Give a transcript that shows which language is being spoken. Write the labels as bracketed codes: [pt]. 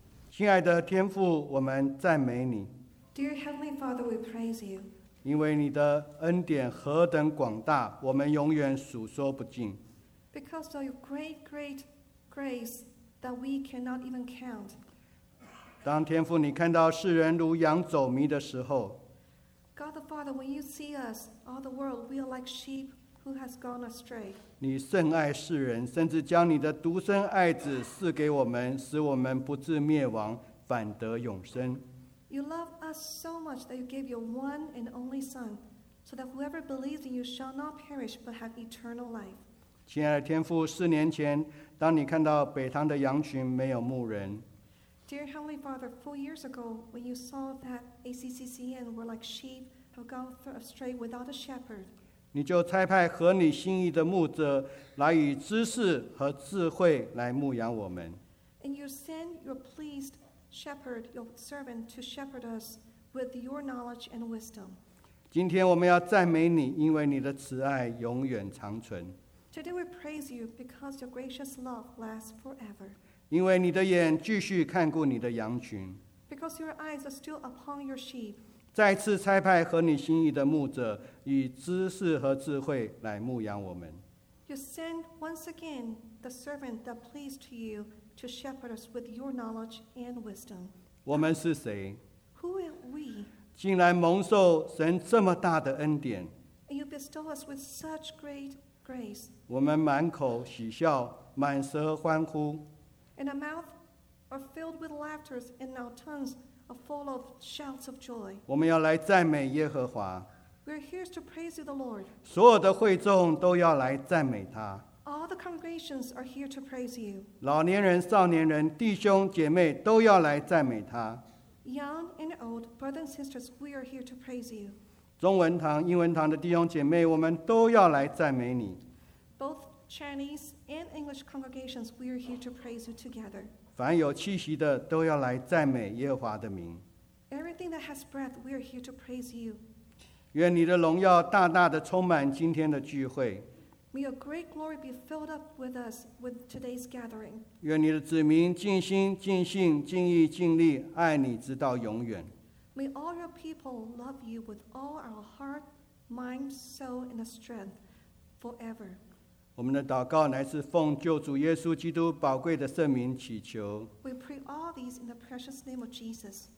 [zh] 亲爱的天父，我们赞美你。 [en] Dear Heavenly Father, we praise you. [zh] 因为你的恩典何等广大，我们永远数说不尽。 [en] Because of your great, great grace that we cannot even count. [zh] 当天父你看到世人如羊走迷的时候 [en] ，God the Father, when you see us, all the world, we are like sheep. Who has gone astray? [zh] 你甚爱世人，甚至将你的独生爱子赐给我们，使我们不至灭亡，反得永生。 [en] You love us so much that you gave your one and only Son, so that whoever believes in you shall not perish but have eternal life. [zh] 亲爱的天父，四年前，当你看到北堂的羊群没有牧人 [en] ，Dear Heavenly Father, 4 years ago, when you saw that ACCCN were like sheep who gone astray without a shepherd. [zh] 你就差派合你心意的牧者来以知识和智慧来牧养我们。 [en] And you send your pleased shepherd, your servant, to shepherd us with your knowledge and wisdom. [zh] 今天我们要赞美你，因为你的慈爱永远长存。 [en] Today we praise you because your gracious love lasts forever. [zh] 因为你的眼继续看顾你的羊群。 [en] Because your eyes are still upon your sheep. [zh] 再次差派合你心意的牧者，以知识和智慧来牧养我们。 [en] You send once again the servant that pleased to you to shepherd us with your knowledge and wisdom. [zh] 我们是谁 [en] ？Who are we？ [zh] 竟然蒙受神这么大的恩典。 [en] And you bestow us with such great grace. [zh] 我们满口喜笑，满舌欢呼。 [en] And our mouth are filled with laughter, and our tongues. Full of shouts of joy. [zh] 我们要来赞美耶和华。 [en] We're here to praise you, the Lord. [zh] 所有的会众都要来赞美他。 [en] All the congregations are here to praise you. [zh] 老年人、少年人、弟兄姐妹都要来赞美他。 [en] Young and old, brothers and sisters, we are here to praise you. [zh] 中文堂、英文堂的弟兄姐妹，我们都要来赞美你。 [en] Both Chinese and English congregations, we are here to praise you together. [zh] 凡有气息的都要来赞美耶和华的名。 [en] Everything that has breath, we are here to praise you. [zh] 愿你的荣耀大大的充满今天的聚会。 [en] May your great glory be filled up with us with today's gathering. [zh] 愿你的子民尽心、尽性、尽意、尽力爱你直到永远。 [en] May all your people love you with all our heart, mind, soul, and strength forever. [zh] 我们的祷告乃是奉救主耶稣基督宝贵的圣名祈求。 [en] We pray all these in the precious name of Jesus.